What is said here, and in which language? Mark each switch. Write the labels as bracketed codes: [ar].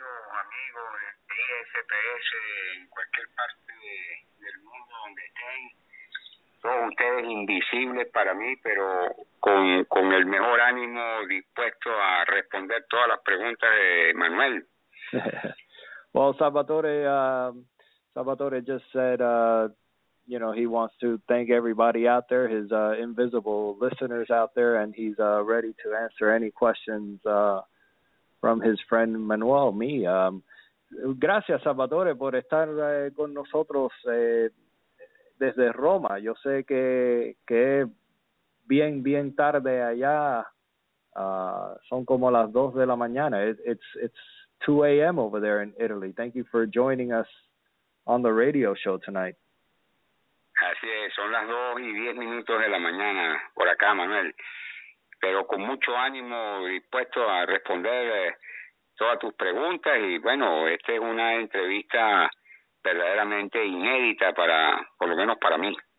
[es] Amigo de ISPS en cualquier parte del mundo donde estén, son ustedes invisibles para mí, pero con el mejor ánimo dispuesto a responder todas las preguntas de Manuel. [en] Well, Salvatore just said, you know, he wants to thank everybody out there, his invisible listeners out there, and he's ready to answer any questions from his friend Manuel, me. [es] Gracias, Salvatore, por estar con nosotros desde Roma. Yo sé que es bien, bien tarde allá. Son como las 2 de la mañana. It's [en] 2 a.m. over there in Italy. Thank you for joining us on the radio show tonight. [es] Así es, son las 2:10 de la mañana por acá, Manuel. Pero con mucho ánimo dispuesto a responder todas tus preguntas. Y bueno, esta es una entrevista verdaderamente inédita para, por lo menos para mí.